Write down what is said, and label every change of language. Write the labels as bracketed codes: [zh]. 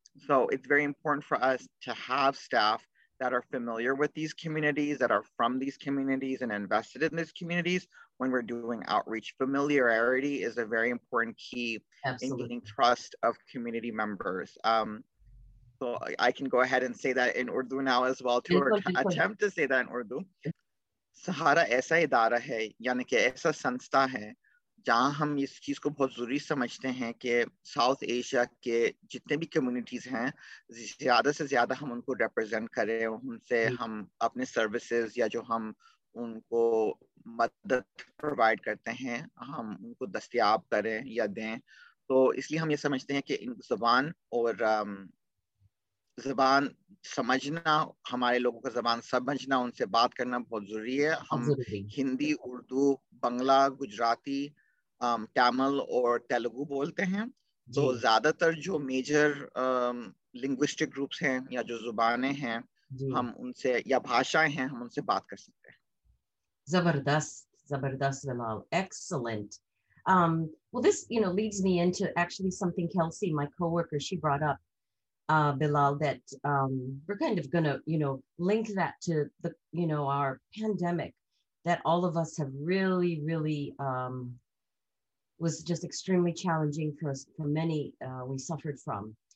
[en] So it's very important for us to have staff that are familiar with these communities, that are from these communities and invested in these communities when we're doing outreach. Familiarity is a very important key in gaining trust of community members. So I can go ahead and say that in Urdu now as well, to attempt to say that in Urdu. [hi] Sahara aisa idara hai, yani ke aisa sansta hai, जहाँ हम इस चीज़ को बहुत ज़रूरी समझते हैं कि south Asia के जितने भी कम्युनिटीज़ हैं, ज़्यादा से ज़्यादा हम उनको रिप्रेजेंट करें, उनसे हम अपने सर्विसेज या जो हम उनको मदद प्रोवाइड करते हैं, हम उनको दस्तयाब करें या दें. तो इसलिए हम ये समझते हैं कि ज़बान और ज़बान समझना, हमारे लोगों का ज़बान समझना, उनसे बात करना बहुत ज़रूरी है. हम हिंदी, उर्दू, बंगला, गुजराती, तमिल और तेलुगु बोलते हैं. तो ज़्यादातर जो मेजर लिंग्विस्टिक ग्रुप्स हैं या जो ज़ुबानें हैं हम उनसे, या भाषाएं हैं, हम उनसे बात कर सकते हैं. ज़बरदस्त Bilal, excellent. [en] Well, this, you know, leads me into actually something Kelsey, my coworker, she brought up, Bilal, that we're kind of gonna, you know, link that to the, you know, our pandemic that all of us have really, really was just extremely challenging for us, for many we suffered from.